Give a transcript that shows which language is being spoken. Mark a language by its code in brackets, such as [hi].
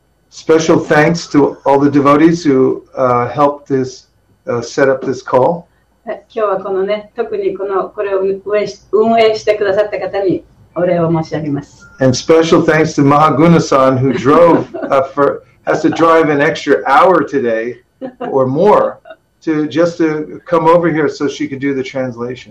[en] Special thanks to all the devotees who helped this set up this call. [ja] 今日はこのね、特にこのこれを運営してくださった方にお礼を申し上げます。 [en] And special thanks to Mahaguna-san who drove has to drive an extra hour today or more to just to come over here so she could do the translation.